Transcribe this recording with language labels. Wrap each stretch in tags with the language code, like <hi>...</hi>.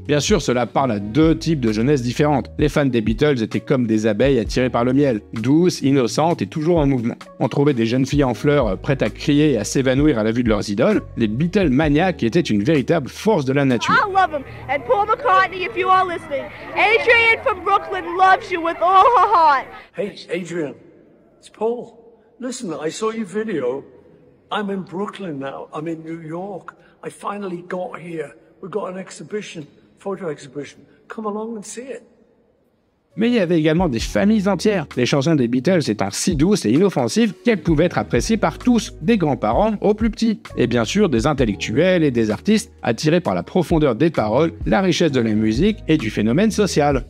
<fr>Bien sûr, cela parle à deux types de jeunesse différentes. Les fans des Beatles étaient comme des abeilles attirées par le miel, douces, innocentes et toujours en mouvement. On trouvait des jeunes filles en fleurs prêtes à crier et à s'évanouir à la vue de leurs idoles. Les Beatles maniaques étaient une véritable force de la nature.</fr> <en>I love them. And Paul McCartney, if you are listening. Adrian from Brooklyn loves you with all her heart. Hey, Adrian, it's Paul. Listen, I saw your video. I'm in Brooklyn now. I'm in New York. I finally got here. We've got an exhibition, photo exhibition. Come along and see it.</en> <fr>Mais il y avait également des familles entières. Les chansons des Beatles étant si douces et inoffensives qu'elles pouvaient être appréciées par tous, des grands-parents aux plus petits. Et bien sûr, des intellectuels et des artistes attirés par la profondeur des paroles, la richesse de la musique et du phénomène social.</fr>